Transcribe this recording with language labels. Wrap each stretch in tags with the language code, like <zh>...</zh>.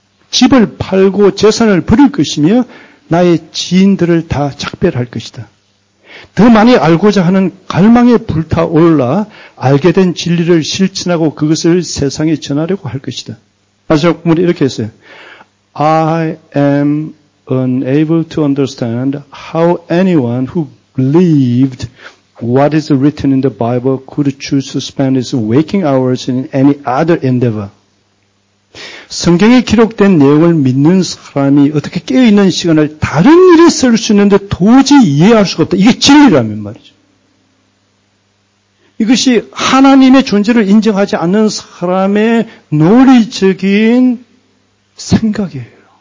<ko>집을 팔고 재산을 버릴 것이며 나의 지인들을 다 작별할 것이다. 더 많이 알고자 하는 갈망에 불타올라 알게 된 진리를 실천하고 그것을 세상에 전하려고 할 것이다. 마지막 부분이 이렇게 했어요.</ko> <en>I am unable to understand how anyone who believed what is written in the Bible could choose to spend his waking hours in any other endeavor.</en> <ko>성경에 기록된 내용을 믿는 사람이 어떻게 깨어있는 시간을 다른 일에 쓸 수 있는데 도저히 이해할 수가 없다. 이게 진리라면 말이죠. 이것이 하나님의 존재를 인정하지 않는 사람의 논리적인 생각이에요.</ko>